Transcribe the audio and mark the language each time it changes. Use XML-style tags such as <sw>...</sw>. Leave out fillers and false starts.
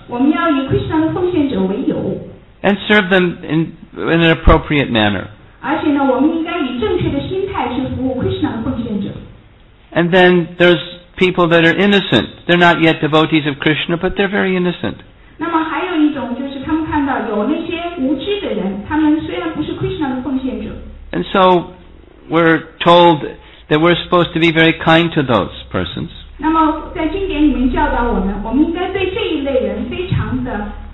<zh>我们要以 Krishna 的奉献者为友。</zh> <en>And serve them in an appropriate manner.</en> <zh>而且呢，我们应该以正确的心态去服务 Krishna 的奉献者。</zh> <en>And then there's people that are innocent. They're not yet devotees of Krishna, but they're very innocent.</en> <zh>那么还有一种就是他们看到有那些无知的人，他们虽然不是 Krishna 的奉献者。</zh> <en>And so we're told that we're supposed to be very kind to those persons.</en> <zh>那么在经典里面教导我们，我们应该对这一类人非常的</zh>